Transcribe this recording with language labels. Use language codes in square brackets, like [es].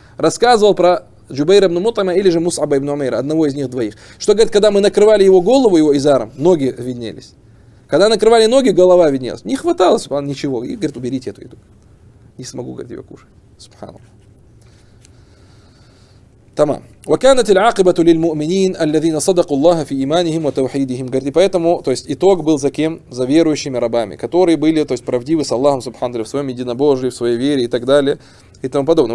[ru] Рассказывал про Джубейра ибн Мутама или же Мус'аба ибн Умейра, одного из них двоих. Что говорит, когда мы накрывали его голову, его изаром, ноги виднелись. Когда накрывали ноги, голова виднелась. Не хватало, субхан, ничего. И говорит, уберите эту еду. Не смогу, говорит, ее кушать. Субхан. Тамам. [ar] وكانت العاقبة للمؤمنين الذين صدقوا الله في إيمانهم وتوحيدهم. [ru] Говорит, и поэтому, то есть итог был за кем? За верующими рабами, которые были, то есть правдивы с Аллахом Субхану Таля в своем единобожии, в своей вере и так далее и тому подобное.